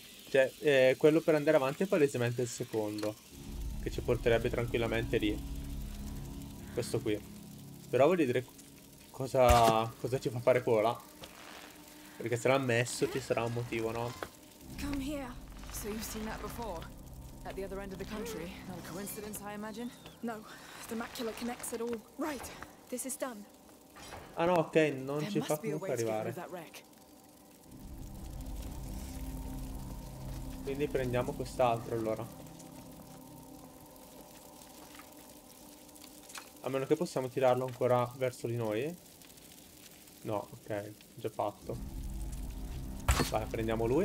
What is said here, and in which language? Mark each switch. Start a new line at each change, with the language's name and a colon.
Italian: Cioè, quello per andare avanti è palesemente il secondo, che ci porterebbe tranquillamente lì. Questo qui. Però voglio dire cosa ci fa fare quella. Perché se l'ha messo ci sarà un motivo, no? Come qui.
English: So you've seen that before? At the other end of the country. Not a coincidence, I imagine. No. The macula connects it all. Right. This is done.
Italian: Ah no, ok, non ci fa comunque arrivare. Quindi prendiamo quest'altro allora. A meno che possiamo tirarlo ancora verso di noi. No, ok, già fatto. Vai, prendiamo lui.